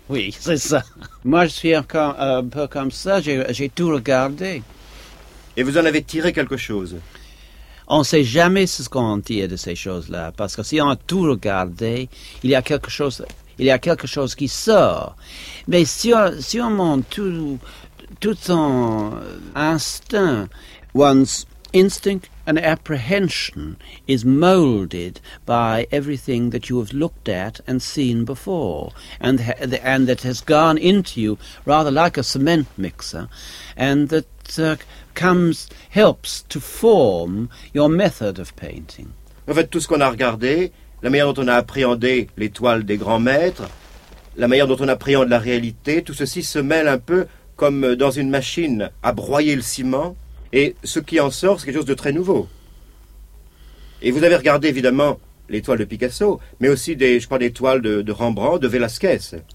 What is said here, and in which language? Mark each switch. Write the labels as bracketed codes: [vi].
[fr] Oui, c'est ça. Moi, je suis encore un peu comme ça. J'ai tout regardé. Et vous en avez tiré quelque chose? on ne sait jamais ce qu'on tire de ces choses-là, parce que si on a tout regardé, il y a quelque chose qui sort. Mais si on montre tout son instinct, [en] one's instinct and apprehension is molded by everything that you have looked at and seen before, and that has gone into you rather like a cement mixer, and that helps to form your method of painting. [fr] En fait, tout ce qu'on a regardé, la manière dont on a appréhendé les toiles des grands maîtres, la manière dont on appréhende la réalité, tout ceci se mêle un peu comme dans une machine à broyer le ciment. Et ce qui en sort, c'est quelque chose de très nouveau. Et vous avez regardé, évidemment, les toiles de Picasso, mais aussi, des toiles de Rembrandt, de Velázquez.